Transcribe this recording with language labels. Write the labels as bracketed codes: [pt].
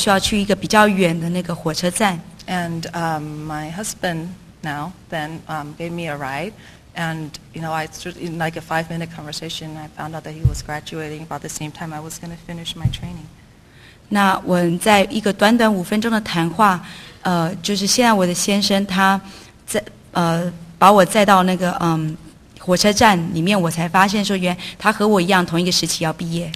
[zh] 那我结束之后，我需要去一个比较远的那个火车站。 [en] And my husband now then gave me a ride, and you know, I in like a 5-minute conversation, I found out that he was graduating about the same time I was going to finish my training. [zh] 那我在一个短短五分钟的谈话，就是现在我的先生他在把我载到那个火车站里面，我才发现说原来他和我一样同一个时期要毕业。